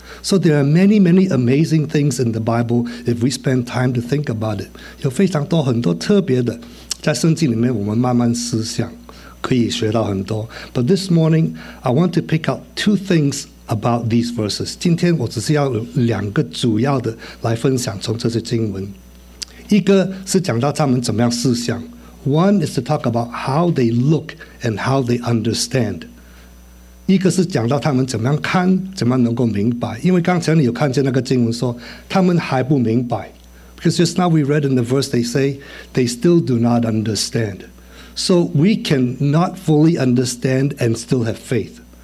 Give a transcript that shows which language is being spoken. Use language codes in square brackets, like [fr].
[en] So there are many, many amazing things in the Bible if we spend time to think about it. [zh] 有非常多很多特别的，在圣经里面我们慢慢思想，可以学到很多。 [en] But this morning, I want to pick out two things about these verses. [zh] 今天我只是要两个主要的来分享从这些经文。一个是讲到他们怎么样思想, [en] one is to talk about how they look and how they understand. [zh] 一个是讲到他们怎么样看,怎么能够明白。因为刚才你有看见那个经文说,他们还不明白。 [en] Because just now we read in the verse, they say, they still do not understand. So we cannot fully understand and still have faith.